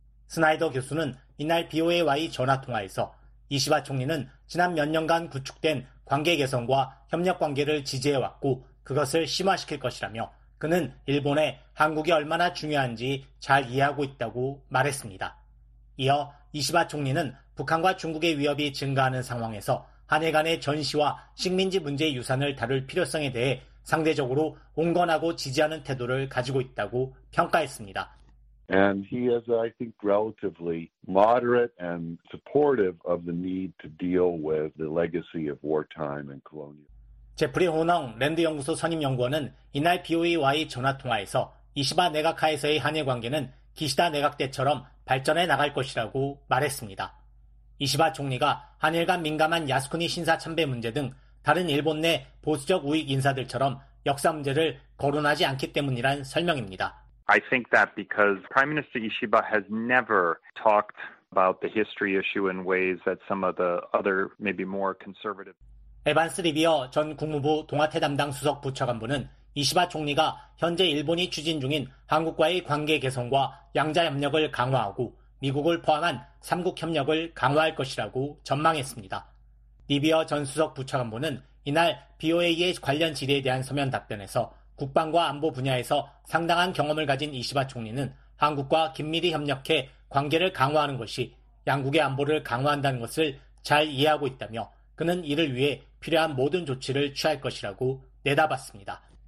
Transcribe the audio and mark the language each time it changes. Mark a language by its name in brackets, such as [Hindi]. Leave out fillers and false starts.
[Korean] 스나이더 교수는 이날 BOAY 전화통화에서 이시바 총리는 지난 몇 년간 구축된 관계 개선과 협력 관계를 지지해왔고 그것을 심화시킬 것이라며 그는 일본에 한국이 얼마나 중요한지 잘 이해하고 있다고 말했습니다. 이어 이시바 총리는 북한과 중국의 위협이 증가하는 상황에서 한일 간의 전시와 식민지 문제 유산을 다룰 필요성에 대해 상대적으로 온건하고 지지하는 태도를 가지고 있다고 평가했습니다. [English] And he is, I think, relatively moderate and supportive of the need to deal with the legacy of wartime and colonial. [Korean] 제프리 호넝 랜드 연구소 선임 연구원은 이날 BOAY 전화 통화에서 이시바 내각하에서의 한일 관계는 기시다 내각 때처럼 발전해 나갈 것이라고 말했습니다. 이시바 총리가 한일 간 민감한 야스쿠니 신사 참배 문제 등 다른 일본 내 보수적 우익 인사들처럼 역사 문제를 거론하지 않기 때문이란 설명입니다. [English] I think that because Prime Minister Ishiba has never talked about the history issue in ways that some of the other maybe more conservative [Korean] 에반스 리비어 전 국무부 동아태 담당 수석 부처관부는 이시바 총리가 현재 일본이 추진 중인 한국과의 관계 개선과 양자 협력을 강화하고 미국을 포함한 3국 협력을 강화할 것이라고 전망했습니다. 리비어 전 수석 부차관보는 이날 BOA의 관련 질의에 대한 서면 답변에서 국방과 안보 분야에서 상당한 경험을 가진 이시바 총리는 한국과 긴밀히 협력해 관계를 강화하는 것이 양국의 안보를 강화한다는 것을 잘 이해하고 있다며 그는 이를 위해 필요한 모든 조치를 취할 것이라고 내다봤습니다.